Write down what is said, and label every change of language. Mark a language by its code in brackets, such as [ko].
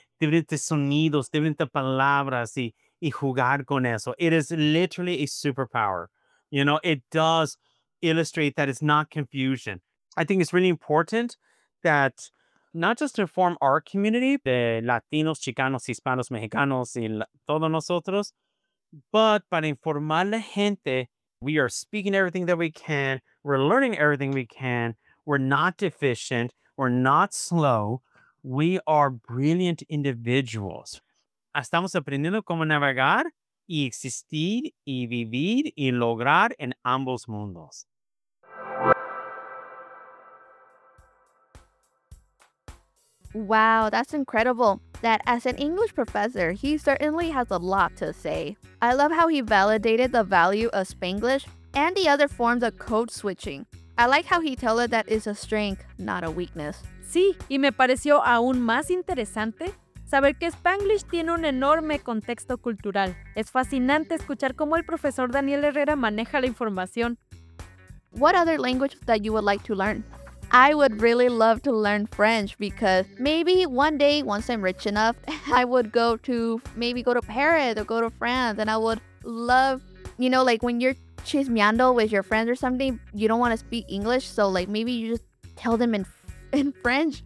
[es] diferentes sonidos, diferentes palabras y jugar con eso. [en] It is literally a superpower. You know, it does illustrate that it's not confusion. I think it's really important that not just to inform our community, the Latinos, Chicanos, Hispanos, Mexicanos, [es] y todos nosotros, [en] but [es] para informar la gente, [en] we are speaking everything that we can. We're learning everything we can. We're not deficient. We're not slow. We are brilliant individuals. [es] Estamos aprendiendo cómo navegar y existir y vivir y lograr en ambos mundos. [en] Wow, that's incredible. That as an English professor, he certainly has a lot to say. I love how he validated the value of Spanglish and the other forms of code switching. I like how he told us that it's a strength, not a weakness. [es] Sí, y me pareció aún más interesante saber que Spanglish tiene un enorme contexto cultural. Es fascinante escuchar cómo el profesor Daniel Herrera maneja la información. [en] What other language that you would like to learn? I would really love to learn French because maybe one day, once I'm rich enough, I would go to Paris or go to France, and I would love, you know, like when you're chismeando with your friends or something, you don't want to speak English, so like maybe you just tell them in French.